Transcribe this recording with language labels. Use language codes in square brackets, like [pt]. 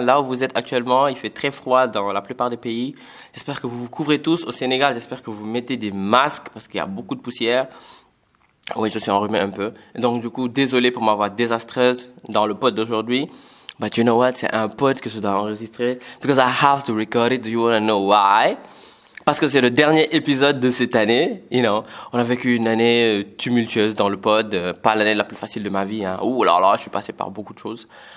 [fr] Là où vous êtes actuellement, il fait très froid dans la plupart des pays. J'espère que vous vous couvrez tous. Au Sénégal, j'espère que vous mettez des masques parce qu'il y a beaucoup de poussière. Oui, je suis enrhumé un peu. Donc du coup, désolé pour ma voix désastreuse dans le pod d'aujourd'hui. [en] But you know what? [fr] C'est un pod que je dois enregistrer. [en] Because I have to record it. Do you wanna know why? [fr] Parce que c'est le dernier épisode de cette année, you know. On a vécu une année tumultueuse dans le pod, pas l'année la plus facile de ma vie, hein. Ouh là là, je suis passé par beaucoup de choses.